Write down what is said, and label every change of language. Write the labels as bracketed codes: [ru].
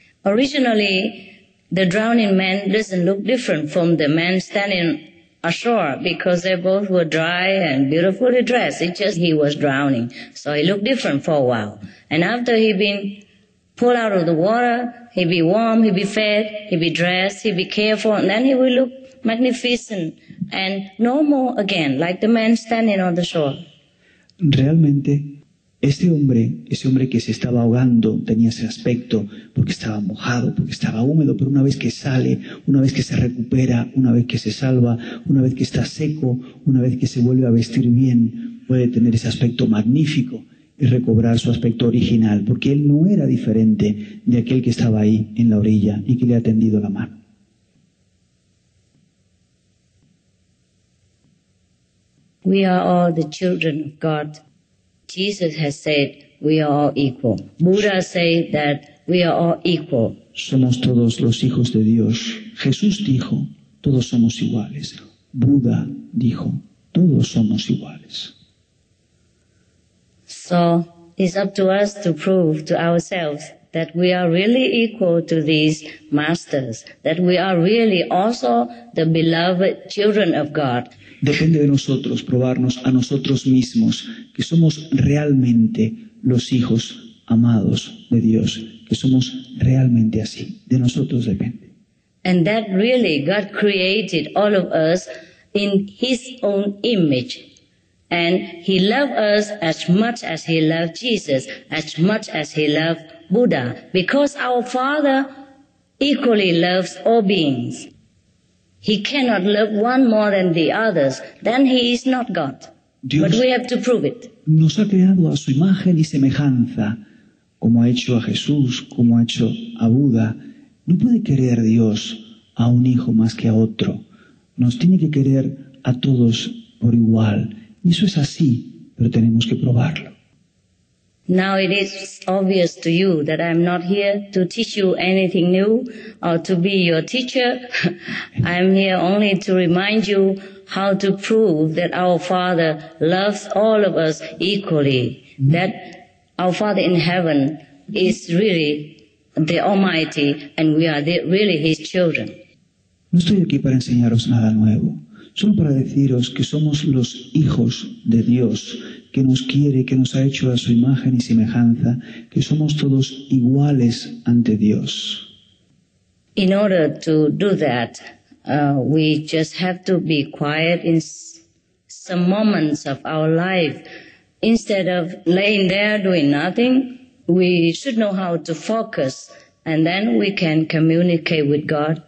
[en] Originally, the drowning man doesn't look different from the man standing ashore because they both were dry and beautifully dressed. It's just he was drowning, so he looked different for a while. And after he'd been pulled out of the water, he'd be warm, he'd be fed, he'd be dressed, he'd be careful, and then he would look magnificent and no more again, like the man standing on the shore. [es] Realmente, ese hombre que se estaba ahogando tenía ese aspecto porque estaba mojado, porque estaba húmedo, pero una vez que sale, una vez que se recupera, una vez que se salva, una vez que está seco, una vez que se vuelve a vestir bien, puede tener ese aspecto magnífico y recobrar su aspecto original, porque él no era diferente de aquel que estaba ahí en la orilla y que le ha tendido la mano. [en] We are all the children of God. Jesus has said we are all equal. Buddha said that we are all equal. [es] Somos todos los hijos de Dios. Jesús dijo, todos somos iguales. Buda dijo, todos somos iguales. [en] So it's up to us to prove to ourselves that we are really equal to these masters, that we are really also the beloved children of God. [es] Depende de nosotros probarnos a nosotros mismos que somos realmente los hijos amados de Dios, que somos realmente así. De nosotros depende. [en] And that really God created all of us in His own image. And He loved us as much as He loved Jesus, as much as He loved Buddha, because our Father equally loves all beings. He cannot love one more than the others. Then he is not God. [es] Dios, [en] but we have to prove it. [es] Nos ha creado a su imagen y semejanza, como ha hecho a Jesús, como ha hecho a Buda. No puede querer Dios a un hijo más que a otro. Nos tiene que querer a todos por igual. Y eso es así, pero tenemos que probarlo. [en] Now it is obvious to you that I'm not here to teach you anything new or to be your teacher. I'm here only to remind you how to prove that our Father loves all of us equally, that our Father in heaven is really the Almighty and we are really His children. [es] No estoy aquí para enseñaros nada nuevo, solo para deciros que somos los hijos de Dios, que nos quiere, que nos ha hecho a su imagen y semejanza, que somos todos iguales ante Dios. [en] In order to do that, we just have to be quiet in some moments of our life. Instead of laying there doing nothing, we should know how to focus, and then we can communicate with God.